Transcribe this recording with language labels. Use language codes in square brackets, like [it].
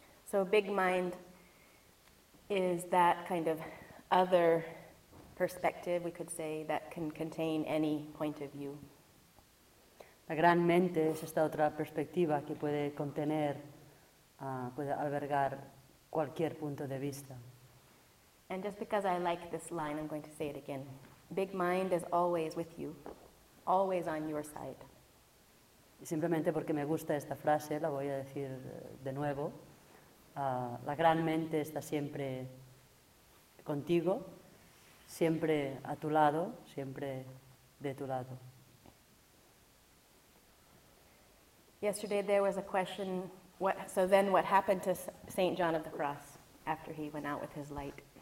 [en] So big mind is that kind of other perspective, we could say, that can contain any point of view. [es] La gran mente es esta otra perspectiva que puede contener, puede albergar cualquier punto de vista. [en] And just because I like this line, I'm going to say it again. Big mind is always with you, always on your side. [es] Y simplemente porque me gusta esta frase, la voy a decir de nuevo. La gran mente está siempre contigo, siempre a tu lado, siempre de tu lado. [en] Yesterday there was a question, what happened to St. John of the Cross after he went out with his light?